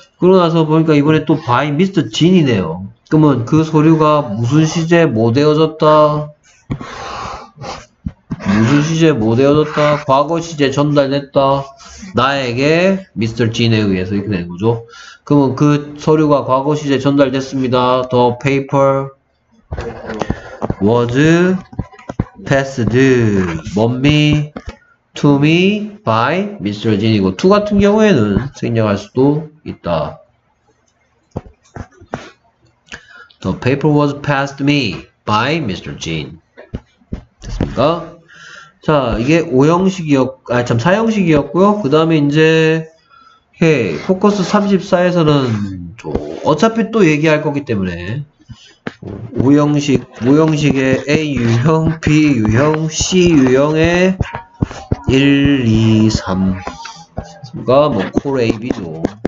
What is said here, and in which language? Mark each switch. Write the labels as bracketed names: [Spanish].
[Korean] 그러고 나서 보니까 이번에 또 by 미스터 진이네요. 그러면 그 서류가 무슨 시제 뭐 되어졌다? 무슨 시제 뭐 되어졌다? 과거 시제 전달됐다. 나에게 미스터 진에 의해서 이렇게 된 거죠. 그러면 그 서류가 과거 시제 전달됐습니다. [English] The paper was passed from me to me by Mr. [Korean] 진이고 to 같은 경우에는 생략할 수도 있다. [English] The paper was passed me by Mr. 진. [Korean] 됐습니까? 자, 이게 사형식이었고요. 그 다음에 이제, 포커스 34에서는, 어차피 또 얘기할 거기 때문에, 오형식의 A 유형, B 유형, C 유형의 1, 2, 3가 뭐, call AB죠.